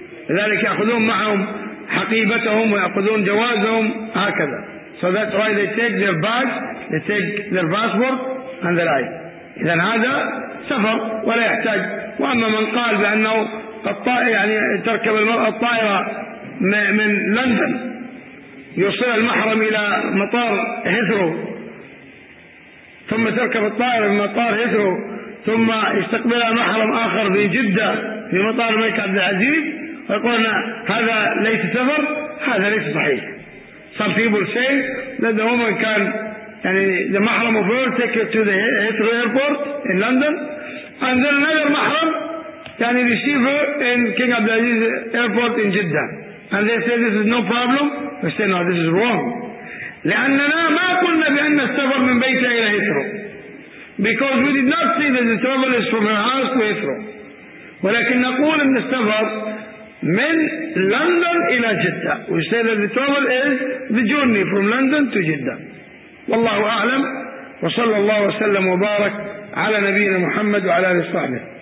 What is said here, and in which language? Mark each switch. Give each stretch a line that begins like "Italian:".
Arabic: لذلك يأخذون معهم حقيبتهم ويأخذون جوازهم هكذا. So
English: So that's why they take their badge, they take their passport and their ID.
Arabic: إذن هذا سفر ولا يحتاج. وأما من قال بأنه يعني تركب المرأة الطائرة من لندن يوصل المحرم إلى مطار هيثرو ثم تركب الطائرة من مطار هيثرو ثم يستقبلها محرم آخر في جدة في مطار الملك عبد العزيز ويقولنا هذا ليس سفر, هذا ليس صحيح.
English: Some people say that the woman can and the mahram of her take her to the Heathrow airport in London, and then another mahram can receive her in King Abdulaziz airport in Jeddah. And they say this is no problem. We say no, this is wrong.
Arabic: لأننا ما قلنا بأن السفر من بيتها إلى Heathrow,
English: because we did not say that the travel is from her house to Heathrow.
Arabic: ولكن نقول أن السفر من لندن إلى جدة.
English: We say that the travel is the journey from London to Jeddah.
Arabic: والله أعلم, وصلى الله وسلم وبارك على نبينا محمد وعلى آله وصحبه.